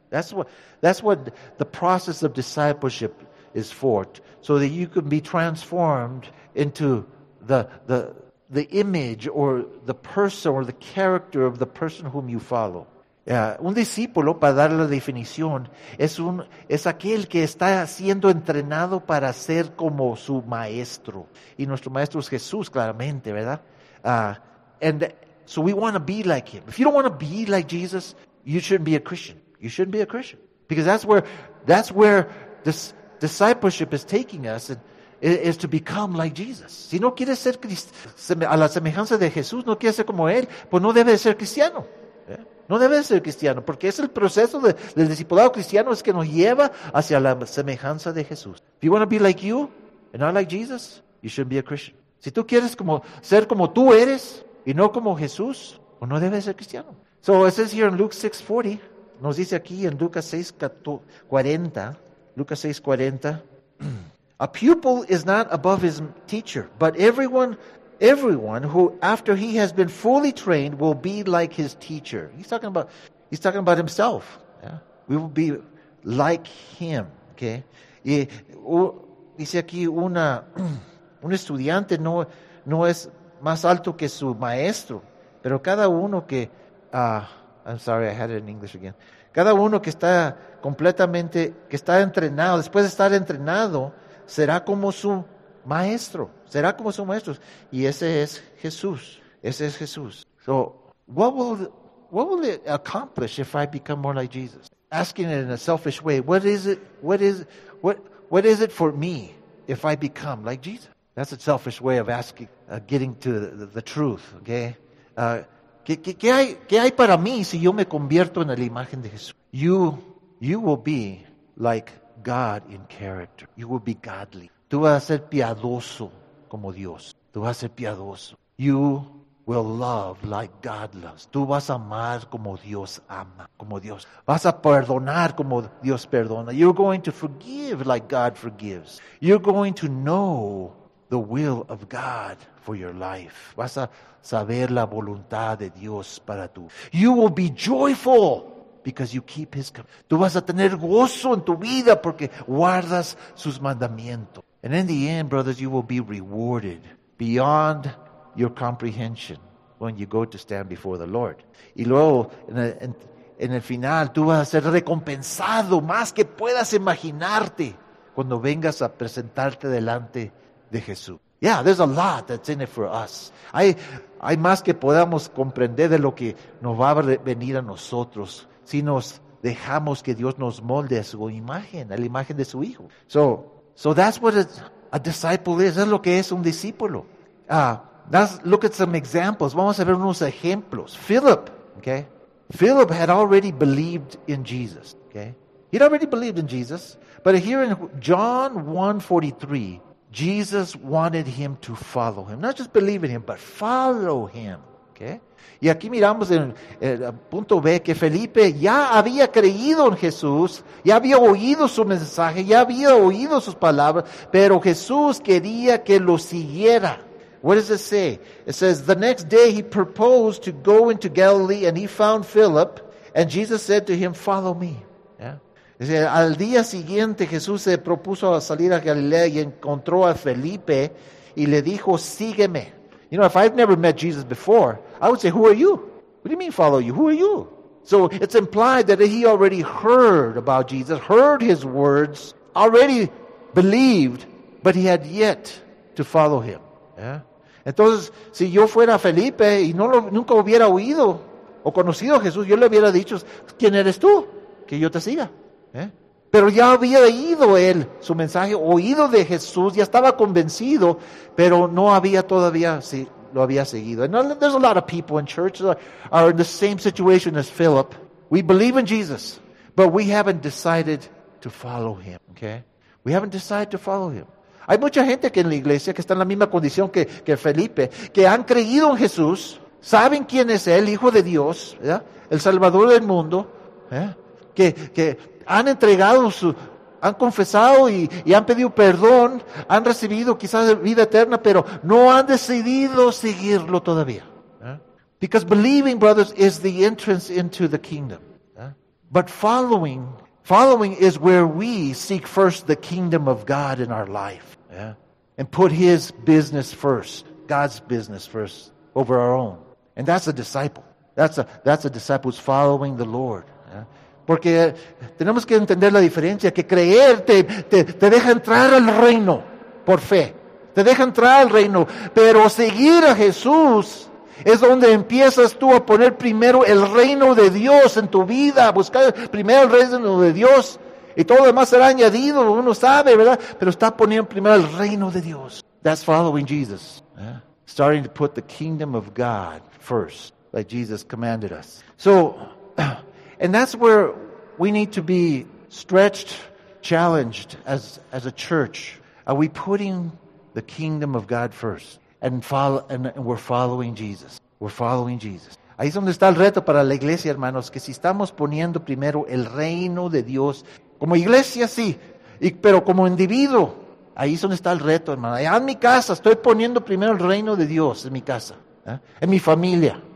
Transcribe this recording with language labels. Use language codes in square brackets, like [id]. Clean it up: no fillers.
[en] That's what the process of discipleship is for, so that you can be transformed into the image or the person or the character of the person whom you follow. [es] Un discípulo, para dar la definición, es aquel que está siendo entrenado para ser como su maestro. Y nuestro maestro es Jesús, claramente, ¿verdad? [en] And so we want to be like him. If you don't want to be like Jesus, you shouldn't be a Christian. You shouldn't be a Christian. Because that's where this discipleship is taking us, and is to become like Jesus. [es] Si no quieres ser a la semejanza de Jesús, no quieres ser como Él, pues no debes ser cristiano. No debes ser cristiano, porque es el proceso del discipulado cristiano es que nos lleva hacia la semejanza de Jesús. [en] If you want to be like you and not like Jesus, you shouldn't be a Christian. [es] Si tú quieres ser como tú eres y no como Jesús, pues no debes ser cristiano. [en] So it says here in Luke 6:40, [es] nos dice aquí en Lucas 6:40, [en] a pupil is not above his teacher, but everyone who, after he has been fully trained, will be like his teacher. He's talking about himself. Yeah? We will be like him. Okay. [es] Y dice aquí un estudiante no es más alto que su maestro, pero cada uno que [en] I'm sorry, I had it in English again. [es] Cada uno que está completamente que está entrenado, después de estar entrenado, será como su maestro. Será como su maestro. Y ese es Jesús. Ese es Jesús. [en] So, what will it accomplish if I become more like Jesus? Asking it in a selfish way. What is it for me if I become like Jesus? That's a selfish way of asking, getting to the truth. Okay? [es] ¿Qué hay para mí si yo me convierto en la imagen de Jesús? [en] You will be like God in character. You will be godly. [es] Tú vas a ser piadoso como Dios. Tú vas a ser piadoso. [en] You will love like God loves. [es] Tú vas a amar como Dios ama, como Dios. Vas a perdonar como Dios perdona. [en] You're going to forgive like God forgives. You're going to know the will of God for your life. [es] Vas a saber la voluntad de Dios para tú. [en] You will be joyful because you keep his commandments. [es] Tú vas a tener gozo en tu vida porque guardas sus mandamientos. [en] And in the end, brothers, you will be rewarded beyond your comprehension when you go to stand before the Lord. [es] Y luego, en el final, tú vas a ser recompensado más que puedas imaginarte cuando vengas a presentarte delante de Jesús. [en] Yeah, there's a lot that's in it for us. [es] Hay más que podamos comprender de lo que nos va a venir a nosotros si nos dejamos que Dios nos molde a su imagen, a la imagen de su Hijo. [en] So that's what a disciple is. [es] Es lo que es un discípulo. [en] Let's look at some examples. [es] Vamos a ver unos ejemplos. [en] Philip, okay? Philip had already believed in Jesus, okay? He'd already believed in Jesus. But here in John 1:43, Jesus wanted him to follow him. Not just believe in him, but follow him, okay? [es] Y aquí miramos en el punto B que Felipe ya había creído en Jesús, ya había oído su mensaje, ya había oído sus palabras, pero Jesús quería que lo siguiera. [en] What does it say? It says, the next day he proposed to go into Galilee and he found Philip and Jesus said to him, follow me. Yeah. [es] Es decir, al día siguiente Jesús se propuso a salir a Galilea y encontró a Felipe y le dijo, sígueme. [en] You know, if I've never met Jesus before, I would say, who are you? What do you mean follow you? Who are you? So it's implied that he already heard about Jesus, heard his words, already believed, but he had yet to follow him. Yeah? [es] Entonces, si yo fuera Felipe y no lo, nunca hubiera oído o conocido a Jesús, yo le hubiera dicho, ¿quién eres tú? Que yo te siga. ¿Eh? Pero ya había oído él su mensaje, oído de Jesús, ya estaba convencido, pero no había todavía si lo había seguido. [en] And there's a lot of people in church that are in the same situation as Philip. We believe in Jesus, but we haven't decided to follow him. Okay? We haven't decided to follow him. [es] Hay mucha gente que en la iglesia que está en la misma condición que Felipe, que han creído en Jesús, saben quién es él, Hijo de Dios, ¿ya? El Salvador del mundo, ¿eh? Que han entregado su, han confesado y han pedido perdón, han recibido quizás vida eterna, pero no han decidido seguirlo todavía. ¿Eh? [en] Because believing, brothers, is the entrance into the kingdom. ¿Eh? But following is where we seek first the kingdom of God in our life. Yeah? And put his business first, God's business first, over our own. And that's a disciple. That's a disciple who's following the Lord. Yeah? [es] Porque tenemos que entender la diferencia, que creer te deja entrar al reino por fe. Te deja entrar al reino. Pero seguir a Jesús es donde empiezas tú a poner primero el reino de Dios en tu vida, a buscar primero el reino de Dios. Y todo lo demás será añadido, uno sabe, ¿verdad? Pero está poniendo primero el reino de Dios. [en] That's following Jesus. Yeah. Starting to put the kingdom of God first, like Jesus commanded us. So, and that's where we need to be stretched, challenged as a church. Are we putting the kingdom of God first? And we're following Jesus. We're following Jesus. [es] Ahí es donde está el reto para la iglesia, hermanos, que si estamos poniendo primero el reino de Dios, como iglesia, sí, pero como individuo, ahí es donde está el reto, hermano. Allá en mi casa, estoy poniendo primero el reino de Dios en mi casa, en mi familia.